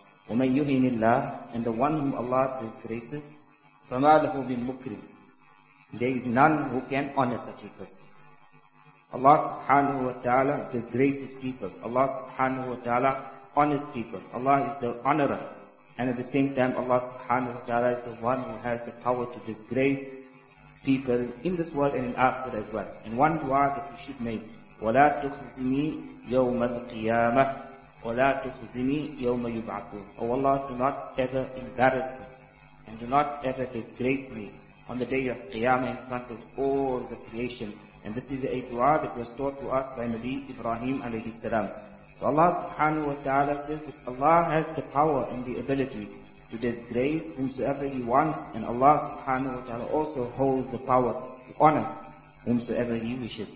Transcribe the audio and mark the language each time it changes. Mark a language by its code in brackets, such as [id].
[ar] وَمَنْ يُهِنِ اللَّهِ, [en] and the one whom Allah disgraces, [ar] فَمَا لَهُ بِالْمُكْرِمِ, [en] there is none who can honor such a person. Allah subhanahu wa ta'ala disgraces people. Allah subhanahu wa ta'ala honors people. Allah is the honorer. And at the same time, Allah subhanahu wa ta'ala is the one who has the power to disgrace people in this world and in after as well. And one dua that we should make, [ar] وَلَا تُخْزِنِي يَوْمَ الْقِيَامَةِ وَلَا تُخْزِنِي يَوْمَ يُبْعَثُونَ. [en] Oh Allah, do not ever embarrass me and do not ever degrade me on the day of Qiyamah in front of all the creation. And this is a dua that was taught to us by Nabi Ibrahim alayhi salam. So Allah subhanahu wa ta'ala says that Allah has the power and the ability to disgrace whomsoever He wants, and Allah subhanahu wa ta'ala also holds the power to honor whomsoever He wishes.